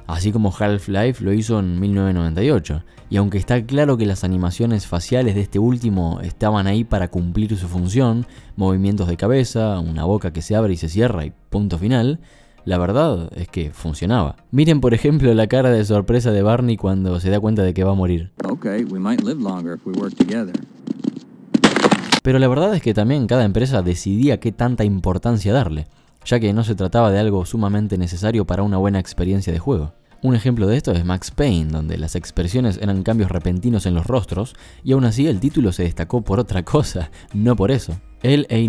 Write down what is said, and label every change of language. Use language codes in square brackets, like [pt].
[es] Así como Half-Life lo hizo en 1998, y aunque está claro que las animaciones faciales de este último estaban ahí para cumplir su función, movimientos de cabeza, una boca que se abre y se cierra y punto final, la verdad es que funcionaba. Miren por ejemplo la cara de sorpresa de Barney cuando se da cuenta de que va a morir. [en] Okay, we might live longer if we work together. [es] Pero la verdad es que también cada empresa decidía qué tanta importancia darle, ya que no se trataba de algo sumamente necesario para una buena experiencia de juego. Un ejemplo de esto es Max Payne, donde las expresiones eran cambios repentinos en los rostros, y aún así el título se destacó por otra cosa, no por eso. L.A.